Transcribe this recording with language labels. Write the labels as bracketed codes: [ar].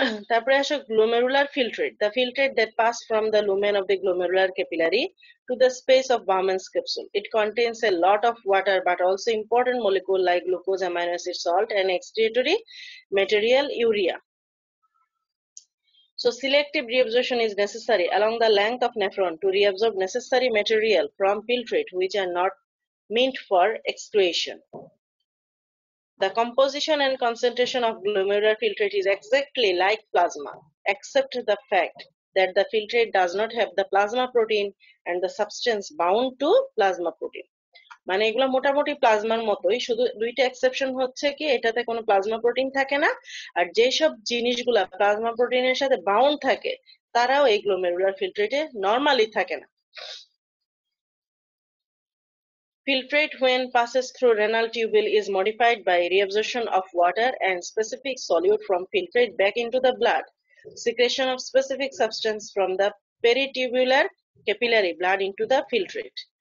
[bn] তারপরে আসো [en] Glomerular filtrate. The filtrate that pass from the lumen of the glomerular capillary to the space of Bowman's capsule. It contains a lot of water but also important molecule like glucose, amino acid, salt and excretory material urea. So selective reabsorption is necessary along the length of nephron to reabsorb necessary material from filtrate which are not meant for excretion. The composition and concentration of glomerular filtrate is exactly like plasma, except the fact that the filtrate does not have the plasma protein and the substance bound to plasma protein. [bn] মানে এগুলো মোটামুটি প্লাজমার মতোই, শুধু দুইটা exception হচ্ছে কি এটাতে কোনো প্লাজমা প্রোটিন থাকে না, আর যেসব জিনিসগুলো প্লাজমা প্রোটিনের সাথে বাউন্ড থাকে তারাও এই গ্লোমেরুলার ফিলট্রেটে নর্মালি থাকে না। [en] Filtrate when passes through renal tubule is modified by reabsorption of water and specific solute from filtrate back in to the blood, secretion of specific substance from the peritubular capillary blood in to the filtrate.